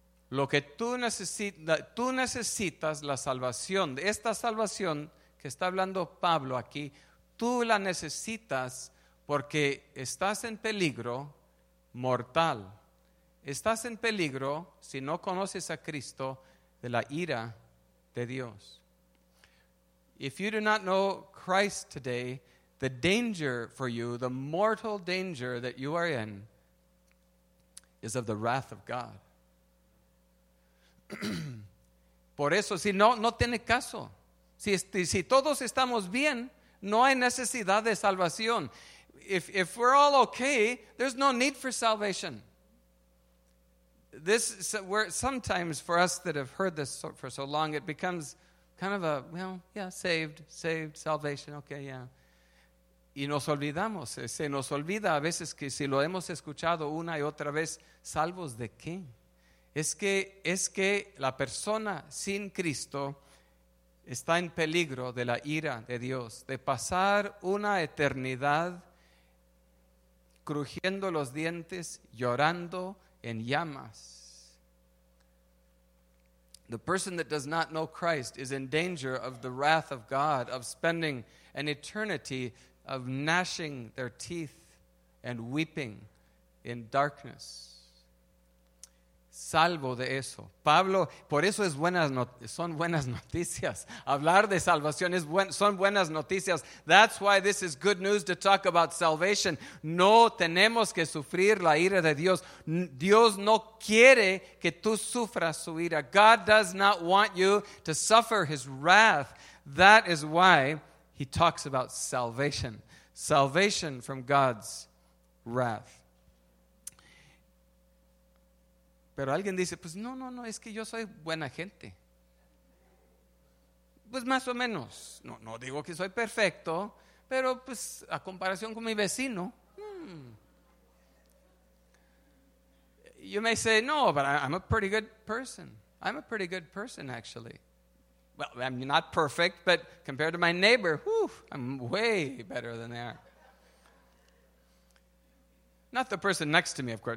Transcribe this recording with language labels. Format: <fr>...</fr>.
<es>Lo que tú necesitas la salvación, esta salvación que está hablando Pablo aquí, tú la necesitas porque estás en peligro mortal. Estás en peligro, si no conoces a Cristo, de la ira de Dios.</es> <en>If you do not know Christ today, the danger for you, the mortal danger that you are in, is of the wrath of God.</en> <es>Por eso, si no, no tiene caso. Si todos estamos bien, no hay necesidad de salvación.</es> <en>If we're all okay, there's no need for salvation. This, where sometimes for us that have heard this for so long, it becomes kind of a, well, yeah, saved, salvation, okay, yeah.</en> <es>Y nos olvidamos, se nos olvida a veces que si lo hemos escuchado una y otra vez, ¿salvos de qué? Es que la persona sin Cristo está en peligro de la ira de Dios, de pasar una eternidad crujiendo los dientes, llorando en llamas.</es> <en>The person that does not know Christ is in danger of the wrath of God, of spending an eternity of gnashing their teeth and weeping in darkness.</en> <es>Salvo de eso. Pablo, por eso son buenas noticias. Hablar de salvación son buenas noticias.</es> <en>That's why this is good news to talk about salvation.</en> <es>No tenemos que sufrir la ira de Dios. Dios no quiere que tú sufras su ira.</es> <en>God does not want you to suffer his wrath. That is why he talks about salvation. Salvation from God's wrath.</en> <es>Pero alguien dice, pues no, es que yo soy buena gente. Pues más o menos. No digo que soy perfecto, pero pues a comparación con mi vecino.</es> <en>You may say, no, but I'm a pretty good person. I'm a pretty good person, actually. Well, I'm not perfect, but compared to my neighbor, I'm way better than they are. Not the person next to me, of course.</en>